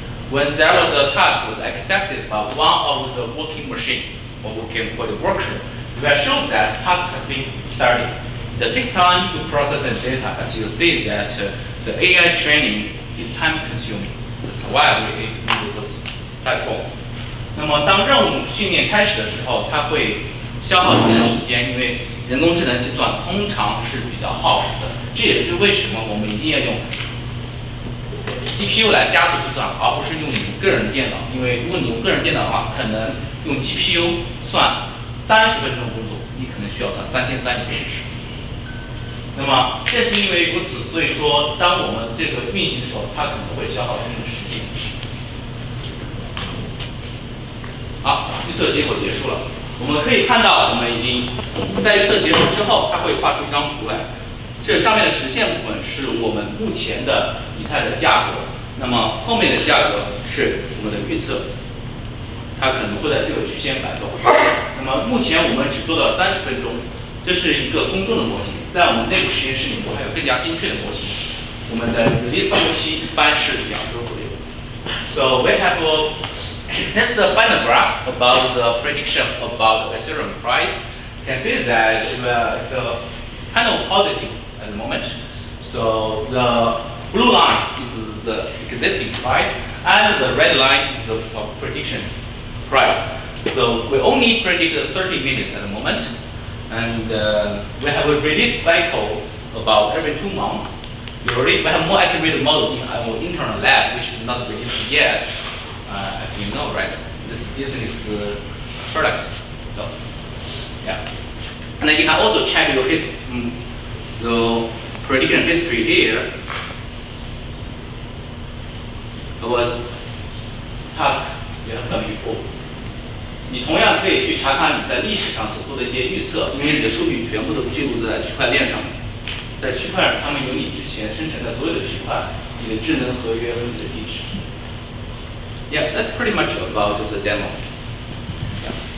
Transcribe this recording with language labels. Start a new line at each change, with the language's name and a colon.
English: When there was a task was accepted by one of the working machine or working for the worker, that shows that task has been started. It takes time to process the data, as you see that the AI training is time consuming. That's why we need this platform.
Chinese: 那么当任务训练开始的时候，它会消耗一定的时间，因为人工智能计算通常是比较耗时的。这也是为什么我们一定要用GPU 来加速计算，而不是用你个人的电脑。因为如果你用个人电脑的话，可能用 GPU 算30分钟工作，你可能需要算3300分钟。那么正是因为如此，所以说当我们这个运行的时候，它可能会消耗一定的时间。好，预测结果结束了。我们可以看到，我们已经在预测结束之后，它会画出一张图来。这上面的实现部分是我们目前的以太的价格，那么后面的价格是我们的预测，它可能会在这个区间摆动。那么目前我们只做到30分钟，这是一个公众的模型，在我们内部实验室里面还有更加精确的模型。我们的 release 周期一般是2周左右。
English: So we have this is the final graph about the prediction about the Ethereum price. Can see that the kind of positive. At the moment. So the blue line is the existing price and the red line is the prediction price. So we only predict 30 minutes at the moment and we have a release cycle about every 2 months. We already we have more accurate model in our internal lab which is not released yet. As you know, right? This business product. So yeah. And then you can also check your history. So, prediction history here, our task you have done before.
Chinese: 你同样可以去查看你在历史上所做的一些预测，因为你的数据全部都记录在区块链上面。在区块上，他们有你之前生成的所有的区块，你的智能合约和你的地址。
English: Yeah, that's pretty much about the demo. Yeah.